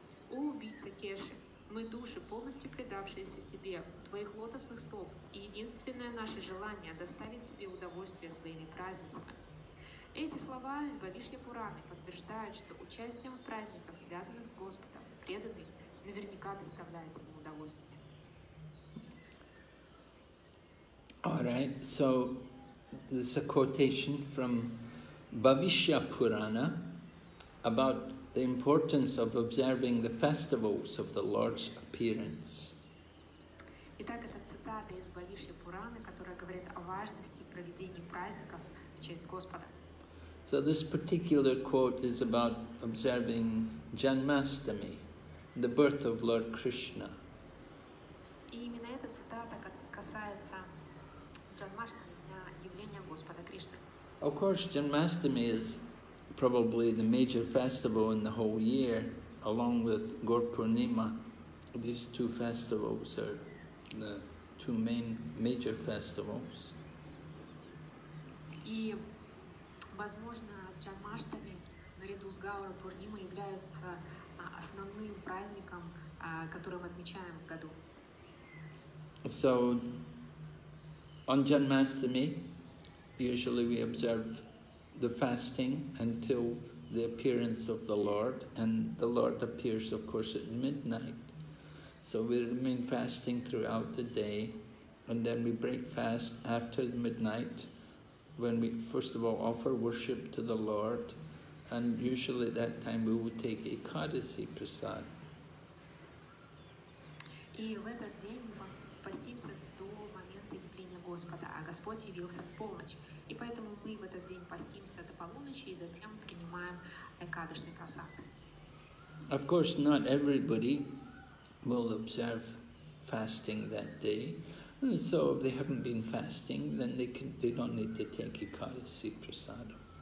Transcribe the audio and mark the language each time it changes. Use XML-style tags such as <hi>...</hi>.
<ru>О, убийца Кеши! Мы души, полностью предавшиеся Тебе, Твоих лотосных стоп, и единственное наше желание – доставить Тебе удовольствие своими празднествами. Эти слова из Ваишна Пураны подтверждают, что участием в праздниках, связанных с Господом, преданный наверняка доставляет Ему удовольствие.</ru> <en>All right, so this is a quotation from Ваишна Пурана about the importance of observing the festivals of the Lord's appearance.</en> <ru>Итак, это цитата из Ваишна Пураны, которая говорит о важности проведения праздников в честь Господа.</ru> <en>So this particular quote is about observing Janmashtami, the birth of Lord Krishna.</en> <ru>И именно эта цитата касается Janmashtami, дня явления Господа Кришны.</ru> <en>Of course, Janmashtami is probably the major festival in the whole year, along with Gaur Purnima. These two festivals are the two main major festivals.</en> <ru>И, возможно, Джанмаштами наряду с Гаура Пурнима является основным праздником, который мы отмечаем в году.</ru> <en>So, on Janmashtami, usually we observe the fasting until the appearance of the Lord, and the Lord appears, of course, at midnight. So we remain fasting throughout the day, and then we break fast after midnight, when we first of all offer worship to the Lord, and usually at that time we would take a Ekadasi prasad.</en> <ru>И в этот день мы постимся до момента явления Господа, а Господь явился в полночь. И поэтому мы в этот день постимся до полуночи и затем принимаем экадашный просад.</ru> <en>Of course, not everybody will observe fasting that day. And so if they haven't been fasting, then they don't need to take ekadasi prasad.</en>